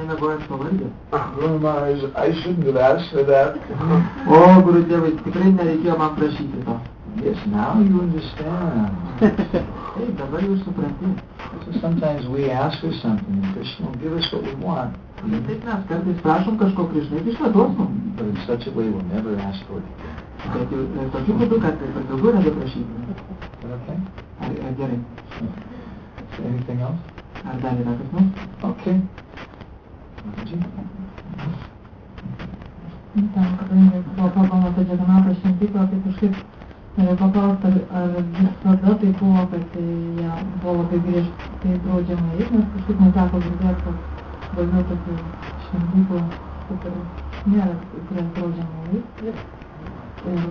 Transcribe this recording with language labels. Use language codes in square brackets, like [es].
[en] Guru Maharaj, I shouldn't have asked for that. [lt] Oh, Guru Devi, tikrai nereikėjo man prašyti to. [en] Yes, now you understand. [lt] Hey, dabar jūs supranti. [en] So sometimes we ask for something and Krishna will give us what we want. [lt] Taip mes kartais prašom kažko Krishna, jis duos mum. [en] But in such a way we'll never ask for it again. [lt] Bet tokiu būdu, kad per daugiau nebeprašyti. [en] Okay. [lt] Ar gerai? [en] Sure. Anything else? [lt] Ar dar yra kas nors? [en] Okay. [lt] Tam, kadangi buvo kalbama apie Jagannatha šventyklą, tai kažkaip norėjau paklausti, ar visada tai buvo, kad jie buvo labai griežtai draudžiama eiti, nes kažkaip neteko girdėti, kad dažnai tokių šventyklų, kaip ir nėra, kurias draudžiama eiti.